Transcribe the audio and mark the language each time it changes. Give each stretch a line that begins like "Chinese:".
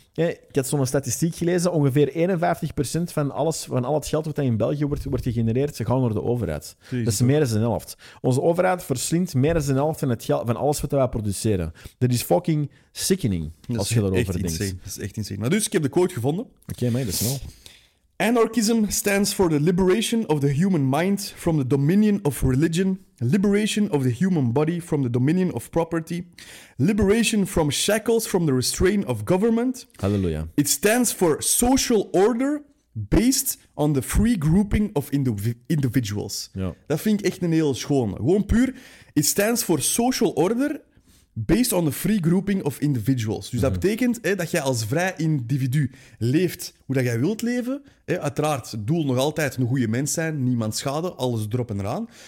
Dutch: Ik had zo'n statistiek gelezen, ongeveer 51% van alles, van al het geld wat in België wordt gegenereerd, ze gaan naar de overheid. Jezus. Dat is meer dan de helft. Onze overheid verslindt meer dan de helft van, het geld, van alles wat wij produceren. Dat is
English: fucking sickening,
Dutch: dat als je erover denkt. Dat is echt insane. Maar dus, ik heb de quote gevonden. Oké, okay, maar dat is wel.
English: Anarchism stands for the liberation of the human mind from the dominion of religion, liberation of the human body from the dominion of property, liberation from shackles from the restraint of government. Hallelujah. It stands for social order based on the free grouping of individuals.
Dutch: Ja. Dat vind ik echt een heel schoon. Gewoon puur,
English: it stands for social order based on the free grouping of individuals.
Dutch: Dus dat betekent dat jij als vrij individu leeft hoe dat jij wilt leven. Uiteraard, doel nog altijd een goede mens zijn, niemand schade, alles erop en eraan.